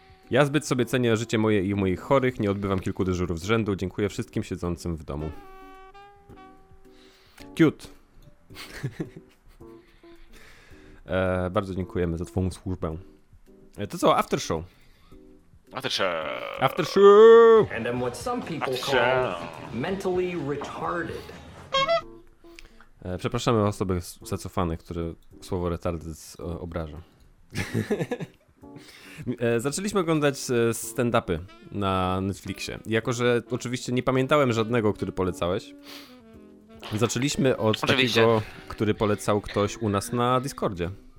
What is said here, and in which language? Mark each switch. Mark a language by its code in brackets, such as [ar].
[pl] Ja zbyt sobie cenię życie moje i moich chorych, nie odbywam kilku dyżurów z rzędu, dziękuję wszystkim siedzącym w domu. [en] Cute. [pl] bardzo dziękujemy za twoją służbę. To co, after show? [en] After show. And then what some people call mentally retarded. [pl] Przepraszamy osoby zacofane, które słowo retarded obraża. Zaczęliśmy oglądać stand-upy na Netflixie. Jako że oczywiście nie pamiętałem żadnego, który polecałeś. Zaczęliśmy od takiego, który polecał ktoś u nas na Discordzie.